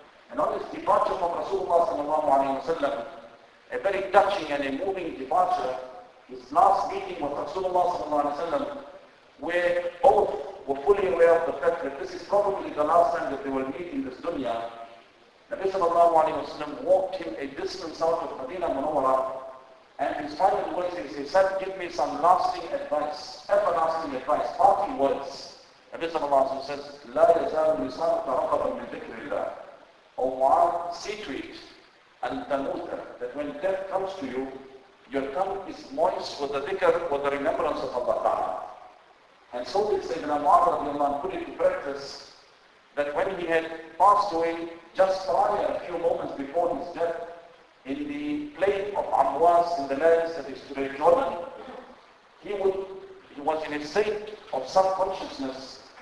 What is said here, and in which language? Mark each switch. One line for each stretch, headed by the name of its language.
English: And on his departure from Rasulullah, a very touching and a moving departure, his last meeting with Rasulullah, where both were fully aware of the fact that this is probably the last time that they will meet in this dunya, Nabi sallallahu alayhi wa sallam walked him a distance out of Madinah Munawwara, and his final words is, he said, give me some lasting advice, everlasting advice, parting words.
Arabic: Nabi sallallahu alayhi wa sallam says, لا يزال لسانك رطبا من ذكر الله.
English: O Mu'adh, see to it, and tamuta, that when death comes to you, your tongue is moist with the dhikr, with the remembrance of Allah ta'ala. And so did Sayyidina Mu'adh radiallahu anhu put it to practice, that when he had passed away, just prior, a few moments before his death, in the plain of Amwas, in the lands that is today Jordan, he was in a state of self-consciousness.